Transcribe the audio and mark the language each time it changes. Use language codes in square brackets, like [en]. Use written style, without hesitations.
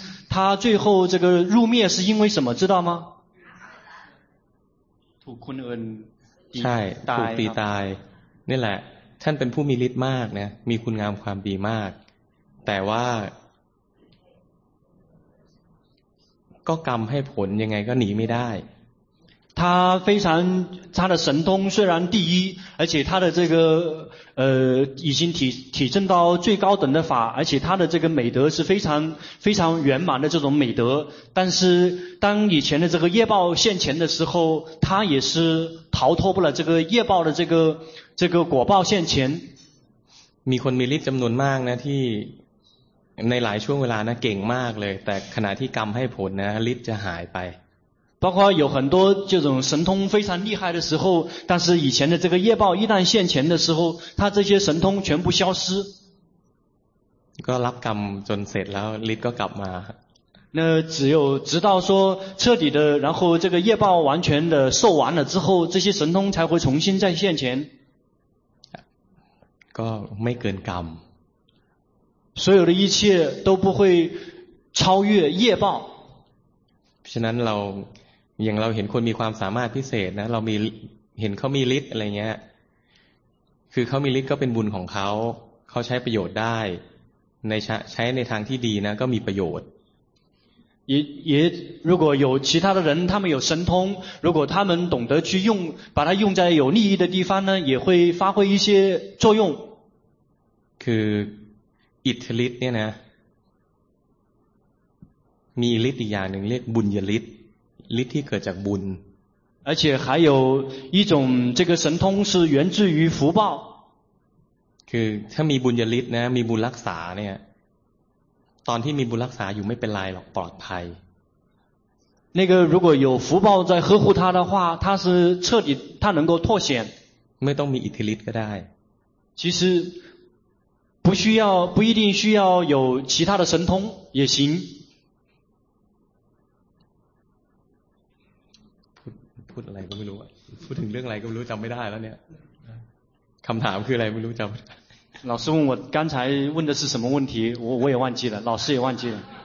[zh] 他最后这个入灭是因为什么？知道吗？ [th] ถูกคนอื่น ใช่ถูกตีตายนี่แหละท่านเป็นผู้มีฤทธิ์มากนะมีคุณงามความดีมากแต่ว่าก็กรรมให้ผลยังไงก็หนีไม่ได้ [zh] 他非常他的神通虽然第一而且他的这个已经体证到最高等的法而且他的这个美德是非常非常圆满的这种美德但是当以前的这个业报现前的时候他也是逃脱不了这个业报的这个果报现前 [th] มีคนมีฤทธิ์จำนวนมากนะที่ในหลายช่วงเวลานะเก่งมากเลยแต่ขณะที่กรรมให้ผลนะฤทธิ์จะหายไป [zh] 包括有很多这种神通非常厉害的时候但是以前的这个业报一旦现前的时候他这些神通全部消失 [th] ก็รับกรรมจนเสร็จแล้วฤทธิ์ก็กลับมา [zh] 那只有直到说彻底的然后这个业报完全的受完了之后这些神通才会重新再现前 [th] ก็ไม่เกินกรรม [zh] 所有的一切都不会超越业报 [th] ฉะนั้นเราอย่างเราเห็นคนมีความสามารถพิเศษนะเรามีเห็นเขามีฤทธิ์อะไรเงี้ยคือเขามีฤทธิ์ก็เป็นบุญของเขาเขาใช้ประโยชน์ได้ในใช้ในทางที่ดีนะก็มีประโยชน์ [zh] 也如果有其他的人他们有神通如果他们懂得去用把它用在有利益的地方呢也会发挥一些作用 [th] คืออิทธิฤทธิ์เนี่ยนะมีฤทธิ์อีกอย่างหนึ่งเรียกบุญญฤทธิ์ฤทธิ์ที่เกิดจากบุญ [zh] 而且还有一种这个神通是源自于福报 [th] คือถ้ามีบุญญฤทธิ์นะมีบุญรักษาเนี่ยตอนที่มีบุญรักษาอยู่ไม่เป็นไรหรอกปลอดภัย [zh] 那个如果有福报在呵护他的话他是彻底他能够脱险 [th] ไม่ต้องมีอิทธิฤทธิ์ก็ได้ [zh] 其实不需要不一定需要有其他的神通也行 [th] พูดอะไรก็ไม่รู้พูดถึงเรื่องอะไรก็ไม่รู้จำไม่ได้แล้วเนี่ยคำถามคืออะไรไม่รู้จำ [zh] 老师问我刚才问的是什么问题我也忘记了老师也忘记了